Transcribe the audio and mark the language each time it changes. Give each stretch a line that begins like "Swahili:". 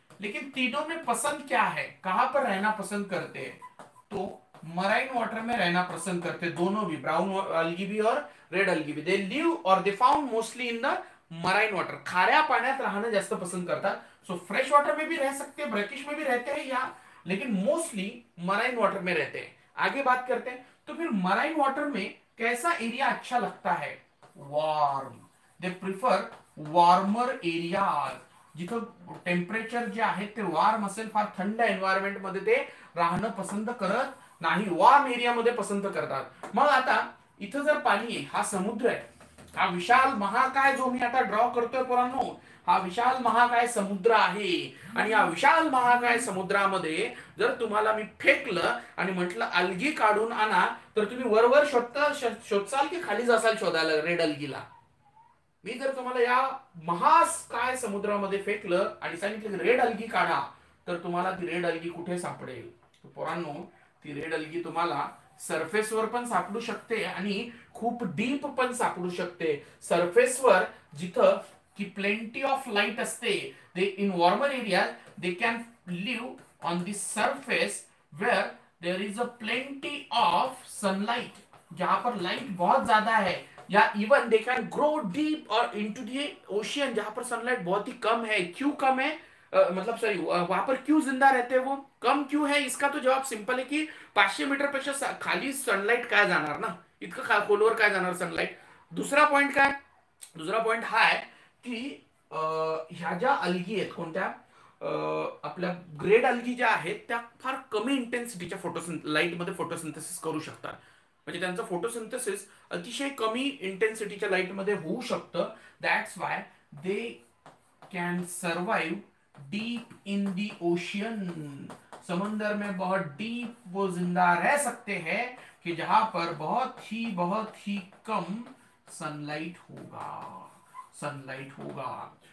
Hindi: लेकिन तीनों में पसंद क्या है, कहां पर रहना पसंद करते हैं, तो मराइन वाटर में रहना पसंद करते दोनों भी, ब्राउन अल्गी भी और रेड अल्गी भी।
English: they live और they found mostly in the marine water,
Marathi: खाऱ्या पाण्यात राहणं जास्त पसंद करतात।
Hindi: सो फ्रेश वाटर में भी रह सकते हैं, ब्रैकिश में भी रहते हैं या, लेकिन मोस्टली मराइन वाटर में रहते हैं। आगे बात करते हैं, तो फिर मराइन वाटर में कैसा एरिया अच्छा लगता है?
Marathi: Warm,
English: they prefer warmer areas,
Marathi: जिथं टेम्परेचर जे आहे ते वार्म असेल, फार थंड एन्व्हायरमेंट मध्ये ते राहणं पसंत करत नाही, वार्म एरिया मध्ये पसंत करतात. मग आता इथं जर पाणी आहे, हा समुद्र आहे, हा विशाल महाकाय जो मी आता ड्रॉ करतोय पोरांनो, हा विशाल महाकाय समुद्र आहे. आणि या विशाल महाकाय समुद्रामध्ये जर तुम्हाला मी फेकलं आणि म्हटलं अल्गी काढून आणा, तर तुम्ही वरवर शोधताल की खाली जासाल शोधायला रेड अल्गीला. मी जर तुम्हाला या महाकाय समुद्रामध्ये फेकलं आणि सांगितलं रेड अल्गी काढा, तर तुम्हाला ती रेड अल्गी कुठे सापडेल? पोरांनो, ती रेड अल्गी तुम्हाला सरफेस वर पण सापडू शकते आणि खूप डीप पण सापडू शकते. सरफेस वर जिथं की प्लेंटी ऑफ लाइट असते,
English: they in warmer area they can live on the surface where there is a plenty of sunlight,
Hindi: जहां पर लाइट बहुत ज्यादा है, या
English: even they can grow deep और into the ocean,
Hindi: जहां पर सनलाइट बहुत ही कम है. क्यों कम है? मतलब सॉरी, वहां पर क्यों जिंदा रहते हैं वो, कम क्यों है? इसका तो जवाब सिंपल है कि
Marathi: 500 मीटर पेक्षा खाली सनलाइट का जाणार ना, इतका खोलवर का जाणार सनलाइट. दुसरा पॉइंट काय? दुसरा पॉइंट हा है कि ह्या ज्या अल्गी आहेत, कोणत्या आपल्या ग्रेड अल्गी ज्या आहेत, त्या फार कमी इंटेन्सिटीच्या लाइट मध्ये फोटोसिंथेसिस करू शकतात. म्हणजे त्यांचं फोटोसिंथेसिस अतिशय कमी इंटेन्सिटीच्या लाइट मध्ये होऊ शकतं.
English: that's why they can survive deep in the ocean,
Hindi: समंदर में बहुत डीप वो जिंदा रह सकते हैं कि जहां पर बहुत ही कम सनलाइट होगा.